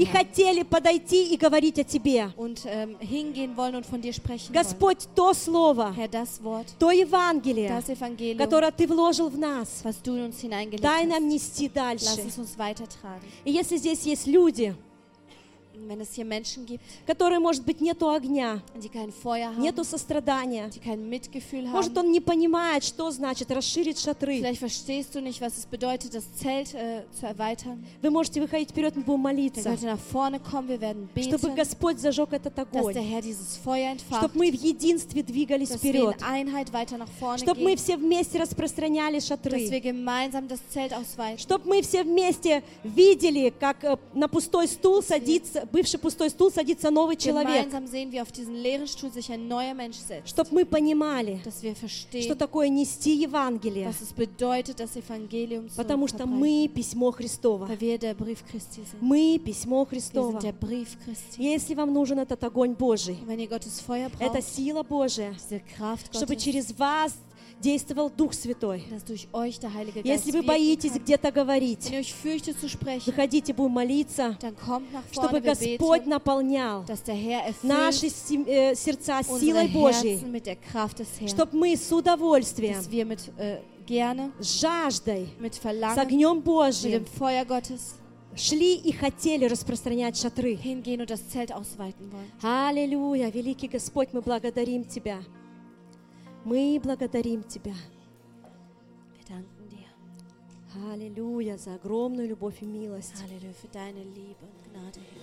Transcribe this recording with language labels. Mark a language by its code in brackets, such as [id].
[ru] и хотели подойти и говорить о тебе. [de] Und, hingehen wollen und von dir sprechen [ru] Господь, [de] wollen. [ru] То слово, [de] Herr, das Wort, [ru] то Евангелие, [de] das Evangelium, [ru] которое ты вложил в нас, [de] was du in uns hineingelegt [ru] дай нам нести дальше. [de] Lass uns weitertragen. [ru] И если здесь есть люди, [de] wenn es hier Menschen gibt, [ru] которые, может быть, нету огня, [de] die kein Feuer haben, [ru] нету сострадания, [de] die kein Mitgefühl haben, [ru] может, он не понимает, что значит расширить шатры. [de] Vielleicht verstehst du nicht, was es bedeutet, das Zelt zu erweitern. [ru] Вы можете выходить вперед, мы будем молиться. [de] Dann könnt ihr nach vorne kommen, wir werden beten, [ru] чтобы Господь зажег этот огонь. [de] Dass der Herr dieses Feuer entfacht, [ru] чтобы мы в единстве двигались [de] dass [ru] вперед. [de] Wir in Einheit weiter nach vorne [ru] чтобы [de] gehen, [ru] мы все вместе распространяли шатры. [de] Dass wir gemeinsam das Zelt ausweiten. [ru] Чтобы мы все вместе видели, как на пустой стул [de] dass [ru] садится бывший пустой стул садится новый человек. [de] Gemeinsam sehen, wie auf diesen leeren Stuhl sich ein neuer Mensch setzt. [ru] Чтобы мы понимали, [de] dass wir verstehen, [ru] что такое нести Евангелие. [de] Was es bedeutet, das Evangelium zu [ru] потому что [de] verbreiten. [ru] Мы письмо Христово. [de] Weil wir der Brief Christi sind. [ru] Мы письмо Христово. [de] Wir sind der Brief Christi. [ru] Если вам нужен этот огонь Божий, [de] wenn ihr Gottes Feuer braucht, [ru] это сила Божия, [de] diese Kraft Gottes, [ru] чтобы через вас действовал Дух Святой. [de] Dass durch euch der Heilige Geist [ru] если вы боитесь [de] kann, [ru] где-то говорить, [de] wenn ihr euch fürchtet, zu sprechen, [ru] выходите, будем молиться, [de] dann kommt nach vorne, [ru] чтобы Господь [de] wir beten, [ru] наполнял [de] dass der Herr erfüllt [ru] наши сердца силой Божьей, [de] Herzen mit der Kraft des Herrn, [ru] чтобы мы с удовольствием, [de] dass wir mit, gerne, [ru] с жаждой, [de] mit Verlangen, [ru] с огнем Божьим, [de] mit dem Feuer Gottes, [ru] шли и хотели распространять шатры. [de] Hingehen und das Zelt ausweiten wollen. [ru] Аллилуйя, великий Господь, мы благодарим Тебя. Мы благодарим Тебя. [de] Wir danken dir. [ru] Аллилуйя за огромную любовь и милость. [de] Аллилуйя für deine Liebe und Gnade.